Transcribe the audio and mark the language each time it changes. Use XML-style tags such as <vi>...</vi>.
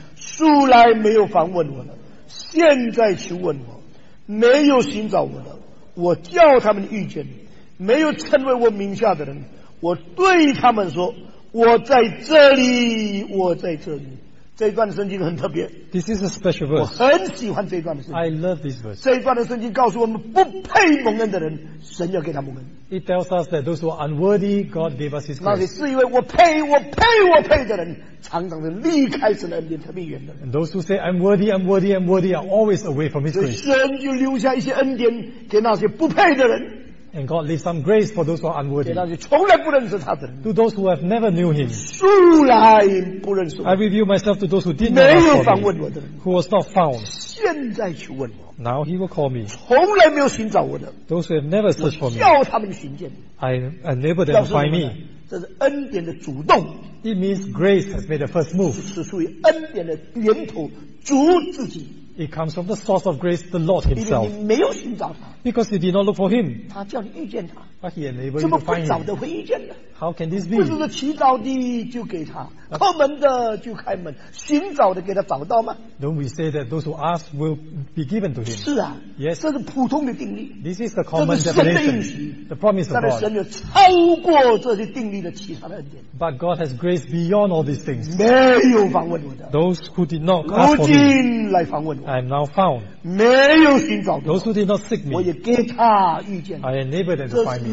<zh>素来没有访问我的，现在求问我；没有寻找我的，我叫他们遇见；没有称为我名下的人，我对他们说：我在这里，我在这里。这一段的圣经很特别。</zh> <en>This is a special verse.</en> <zh>我很喜欢这一段的圣经。</zh> <en>I love this verse.</en> <zh>这一段的圣经告诉我们，不配蒙恩的人，神要给他蒙恩。</zh> <en>It tells us that those who are unworthy, God gave us His grace.</en> <zh>那些自以为我配的人，常常是离开神的恩典特别远的人。</zh> <en>And those who say I'm worthy are always away from His grace.</en> <zh>神就留下一些恩典给那些不配的人。</zh> <en>And God leaves some grace for those who are unworthy.</en> <zh>给那些从来不认识他的人。</zh> <en>To those who have never knew Him.</en> <zh>素来不认识。</zh> <en>I reveal myself to those who did not know Him.</en> <zh>没有访问我的人。</zh> <en>Who was not found.</en> <zh>现在去问我。</zh> <en>Now He will call me.</en> <zh>从来没有寻找我的。</zh> <en>Those who have never searched for me.</en> <zh>叫他们寻见。</zh> <en>I enable them to find me.</en> <zh>这是恩典的主动。</zh> <en>It means grace has made the first move.</en> <zh>是属于恩典的源头，主自己。</zh> <en>It comes from the source of grace, the Lord Himself. Because you did not look for Him. But He enabled you to find Him. How can this be?</en> <zh>不是说祈祷的就给他，叩门的就开门，寻找的给他找到吗？</zh> <en>Don't we say that those who ask will be given to Him?</en> <zh>是啊。</zh> <en>Yes.</en> <zh>这是普通的定律。</zh> <en>This is the common definition. The promise of God.</en> <zh>但是神有超过这些定律的其他的恩典。</zh> <en>But God has grace beyond all these things.</en> <zh>没有访问我的。</zh> <en>Those who did not ask for me.</en> <zh>如今来访问我。</zh> <en>I am now found.</en> <zh>没有寻找的。</zh> <en>Those who did not seek me.</en> <zh>我也给他遇见。</zh> <en>I enabled them to find me.</en>